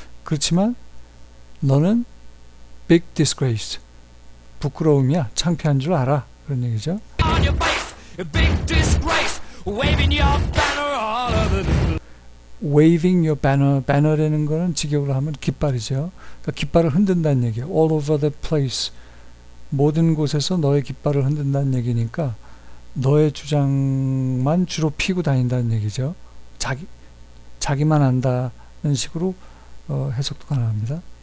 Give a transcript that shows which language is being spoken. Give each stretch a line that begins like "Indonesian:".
Korean: 그렇지만 너는
English: big disgrace,
Korean: 부끄러움이야, 창피한 줄 알아, 그런 얘기죠.
English: On your face, big disgrace, waving your banner all over the place. Waving your banner.
Korean: Banner라는 거는 직역으로 하면 깃발이죠. 그러니까 깃발을 흔든다는 얘기예요.
English: All over the place.
Korean: 모든 곳에서 너의 깃발을 흔든다는 얘기니까 너의 주장만 주로 피고 다닌다는 얘기죠. 자기만 안다는 식으로 해석도 가능합니다.